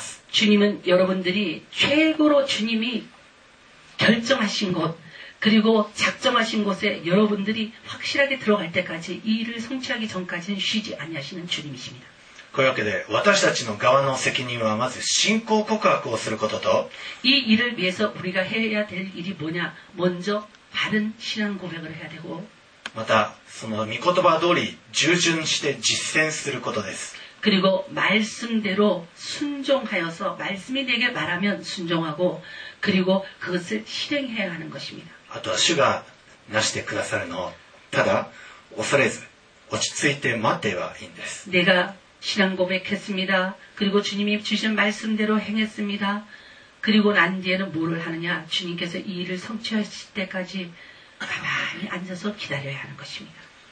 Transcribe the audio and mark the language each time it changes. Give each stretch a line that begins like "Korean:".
Korean: 주님은 여러분들이 최고로 주님이 결정하신 곳 그리고 작정하신 곳에 여러분들이 확실하게 들어갈 때까지 이 일을 성취하기 전까지는 쉬지 아니하시는 주님이십니다. 그렇게
Japanese: で私たちの側の責任はまず信仰告白をすることと
Korean: 이 일을 위해서 우리가 해야 될 일이 뭐냐 먼저 바른 신앙 고백을 해야 되고
Japanese: またその御言葉通り従順して実践することです.
Korean: 그리고 말씀대로 순종하여서 말씀이 내게 말하면 순종하고 그리고 그것을 실행해야 하는 것입니다.
Japanese: 아또主が成してくださるのをただ恐れず落ち着いて待てばいいんです.
Korean: 내가 신앙고백했습니다그리고주님이주신말씀대로행했습니다그리고난뒤에는뭐를하느냐주님께서이일을성취하실때까지가만히앉아서기다려야하는것입니다